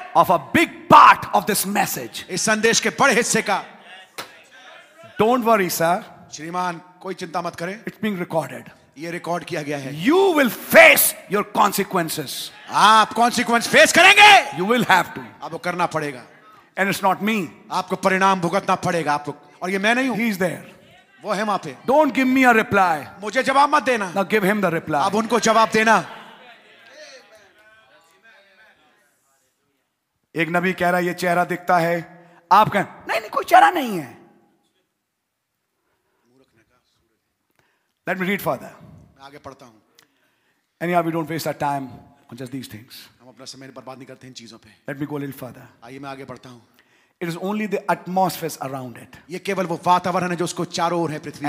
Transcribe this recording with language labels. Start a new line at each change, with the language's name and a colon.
English: of a big part of this message.
Hindi: इस संदेश के बड़े हिस्से का.
English: Don't worry, sir.
Hindi: श्रीमान कोई चिंता मत करें.
English: It's being recorded.
Hindi: ये रिकॉर्ड किया गया है.
English: You will face your consequences.
Hindi: आप consequence face करेंगे.
English: You will have to.
Hindi: आपको करना पड़ेगा.
English: And it's not me.
Hindi: आपको परिणाम भुगतना पड़ेगा आपको. और ये मैं नहीं हूँ.
English: He's there.
Hindi: वो है वहाँ पे.
English: Don't give me a reply.
Hindi: मुझे जवाब मत देना.
English: Now give him the reply.
Hindi: अब उनको जवाब देना. एक नबी कह रहा है ये चेहरा दिखता है. आप कहें नहीं नहीं कोई चेहरा नहीं है.
English: Let me read further.
Hindi: मैं आगे पढ़ता हूँ.
English: Anyhow, we don't waste our time on just these things.
Hindi: हम अपना समय बर्बाद नहीं करते इन चीजों पे.
English: Let me go a little further.
Hindi: आइए मैं आगे पढ़ता हूँ.
English: It is only the atmosphere around it.
Hindi: ये केवल वो वातावरण है जो उसको चारों ओर है पृथ्वी.